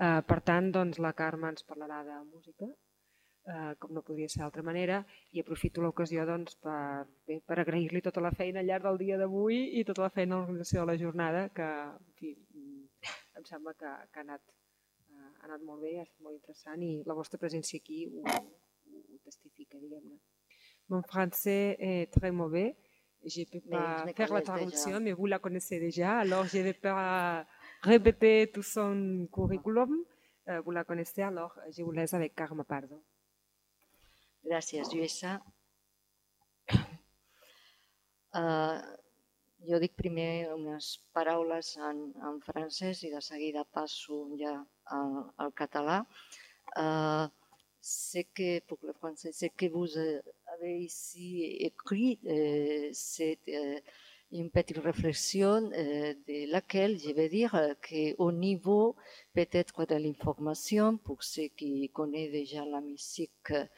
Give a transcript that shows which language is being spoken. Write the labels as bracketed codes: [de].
[ca] Per tant, doncs, la Carme ens parlarà de música, com no podria ser d'altra manera, i aprofito l'ocasió doncs, per agrair-li tota la feina al llarg del dia d'avui i tota la feina a l'organització de la jornada, que en fi, em sembla que ha anat molt bé, ha estat molt interessant i la vostra presència aquí ho testifica, diguem-ne. [fr] Mon français est très mauvais. Je ne peux pas faire la traduction, déjà. Mais vous la connaissez déjà. Alors, je ne vais pas répéter tout son curriculum. Vous la connaissez, alors je vous laisse avec Carme Pardo. [ca] Gràcies, Lluïssa. Jo dic primer unes paraules en francès i de seguida passo ja al català. [fr] C'est que pour le français, c'est que vous avez ici écrit cette une petite réflexion de laquelle je vais dire que au niveau peut-être de l'information pour ceux qui connaissent déjà la musique